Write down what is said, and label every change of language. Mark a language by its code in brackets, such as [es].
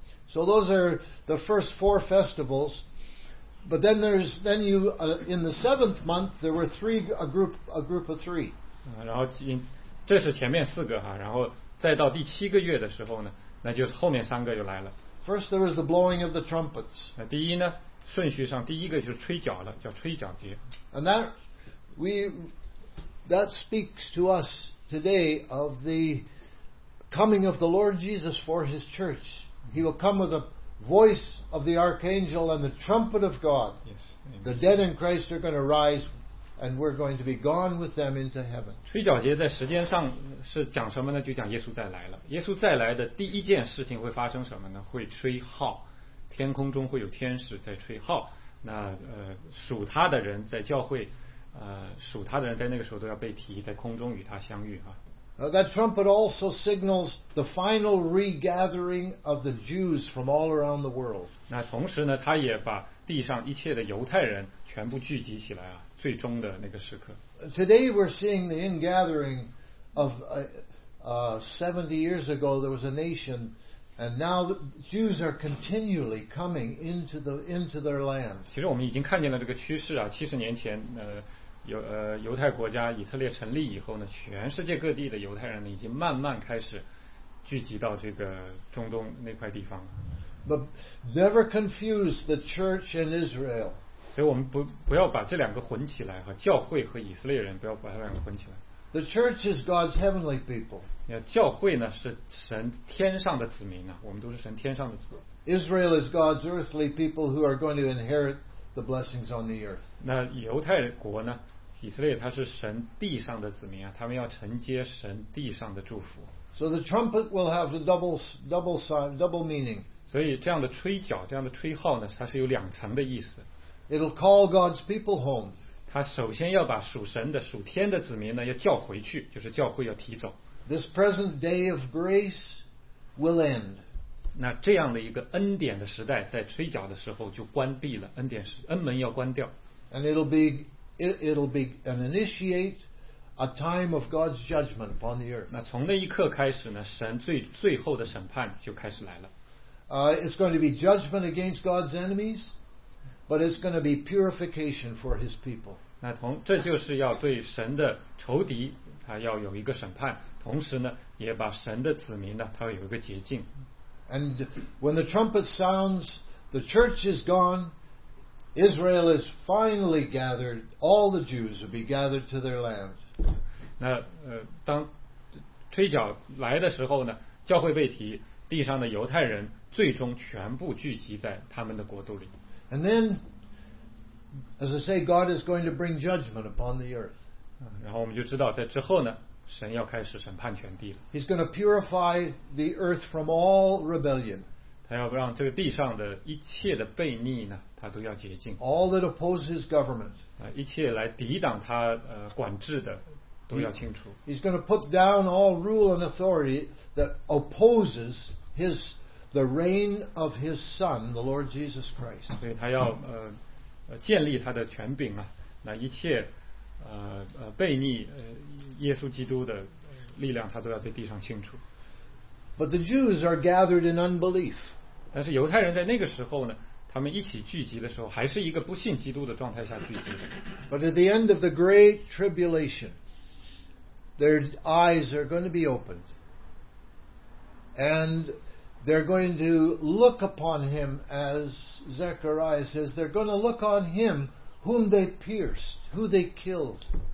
[en] So those are the first four festivals, but then in the seventh month there were a group of three. [zh] 然后这是前面四个哈，然后再到第七个月的时候呢，那就是后面三个就来了。 [en] First there was the blowing of the trumpets. [zh] 第一呢，顺序上第一个就是吹角了，叫吹角节。 [en] And that speaks to us today of the coming of the Lord Jesus for His church. He will come with the voice of the archangel and the trumpet of God. Yes. The dead in Christ are going to rise, and we're going to be gone with them into heaven. [zh] 吹角节在时间上是讲什么呢？就讲耶稣再来了。耶稣再来的第一件事情会发生什么呢？会吹号，天空中会有天使在吹号。那属他的人在教会。属他的人在那个时候都要被提，在空中与他相遇啊。 [en] That trumpet also signals the final regathering of the Jews from all around the world. [zh] 那同时呢，他也把地上一切的犹太人全部聚集起来啊，最终的那个时刻。 [en] Today we're seeing the ingathering of 70 years ago there was a nation, and now the Jews are continually coming into their land. [zh] 其实我们已经看见了这个趋势啊，七十年前犹太国家以色列成立以后呢，全世界各地的犹太人呢，已经慢慢开始聚集到这个中东那块地方了。 [en] But never confuse the church and Israel. [zh] 所以我们不要把这两个混起来哈，教会和以色列人不要把这两个混起来。 [en] The church is God's heavenly people. [zh] 教会呢是神天上的子民啊，我们都是神天上的子。 [en] Israel is God's earthly people who are going to inherit. The blessings on the earth. [zh] 那犹太国呢？以色列他是神地上的子民啊，他们要承接神地上的祝福。 [en] So the trumpet will have the double sign, double meaning. [zh] 所以这样的吹角，这样的吹号呢，它是有两层的意思。 [en] It'll call God's people home. [zh] 他首先要把属神的、属天的子民呢，要叫回去，就是教会要提走。 [en] This present day of grace will end. [zh] 那这样的一个恩典的时代，在吹角的时候就关闭了，恩门要关掉。 [en] And it'll be an initiate a time of God's judgment upon the earth. [zh] 那从那一刻开始呢，神最后的审判就开始来了。 [en] It's going to be judgment against God's enemies, but it's going to be purification for His people. [zh] 那这就是要对神的仇敌，他要有一个审判，同时呢，也把神的子民呢，他要有一个洁净。 [en] And when the trumpet sounds, the church is gone. Israel is finally gathered. All the Jews will be gathered to their land. [zh] 那当吹角来的时候呢，教会被提，地上的犹太人最终全部聚集在他们的国度里。 [en] And then, as I say, God is going to bring judgment upon the earth. [zh] 然后我们就知道在之后呢神要开始审判全地了。 [en] He's going to purify the earth from all rebellion. [zh] 他要让这个地上的一切的悖逆呢他都要洁净。 [en] All that oppose his government. [zh] 一切来抵挡他管制的都要清除。 [en] He's going to put down all rule and authority that opposes his, the reign of his son, the Lord Jesus Christ. [zh] 所以他要建立他的权柄啊，那一切悖逆耶稣基督的力量他都要在地上清除。 [en] But the Jews are gathered in unbelief. [zh] 但是犹太人在那个时候呢他们一起聚集的时候还是一个不信基督的状态下聚集的。 [en] But at the end of the great tribulation their eyes are going to be opened and they're going to look upon him as Zechariah says they're going to look on him whom they pierced, who they killed.